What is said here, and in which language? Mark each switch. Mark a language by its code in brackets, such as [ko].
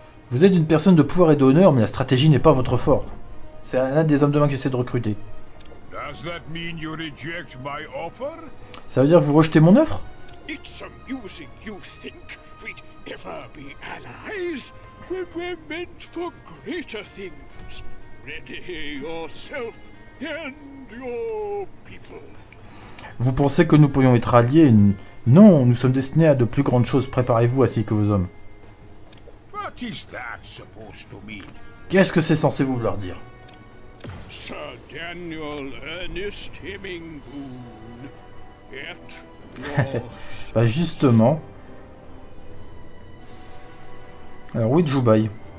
[fr] Vous êtes une personne de pouvoir et d'honneur, mais la stratégie n'est pas votre fort. C'est l'un des hommes de main que j'essaie de recruter. [en] Does that mean you reject my offer? [fr] Ça veut dire que vous rejetez mon offre? [en] It's amusing you think we'd ever be allies when we're meant for greater things. Ready yourself and your people. [fr] Vous pensez que nous pourrions être alliés? Non, nous sommes destinés à de plus grandes choses. Préparez-vous ainsi que vos hommes. [en] What is that supposed to mean? [fr] Qu'est-ce que c'est censé vouloir dire? [en] Sir Daniel Ernest Hemingway. Get your... [fr] Bah justement. Alors oui, Joe Biden.